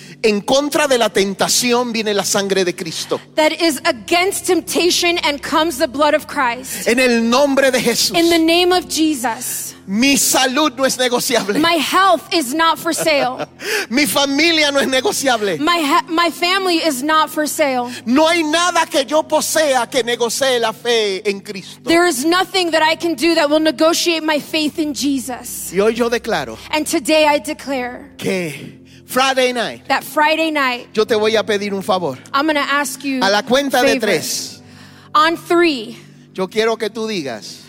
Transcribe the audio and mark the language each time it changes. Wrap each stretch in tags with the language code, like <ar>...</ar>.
<es>En contra de la tentación viene la sangre de Cristo.</es> <en>That is against temptation and comes the blood of Christ.</en> <es>En el nombre de Jesús.</es> <en>In the name of Jesus.</en> <es>Mi salud no es negociable.</es> <en>My health is not for sale.</en> <es>Mi familia no es negociable.</es> <en>My family is not for sale.</en> <es>No hay nada que yo posea que negocie la fe en Cristo.</es> <en>There is nothing that I can do that will negotiate my faith in Jesus.</en> <es>Y hoy yo declaro.</es> <en>And today I declare. Que Friday night. That Friday night.</en> <es>Yo te voy a pedir un favor.</es> <en>I'm going to ask you.</en> <es>A la cuenta</es> <en>favor,</en> <es>de tres.</es> <en>On three.</en> <es>Yo quiero que tú digas.</es>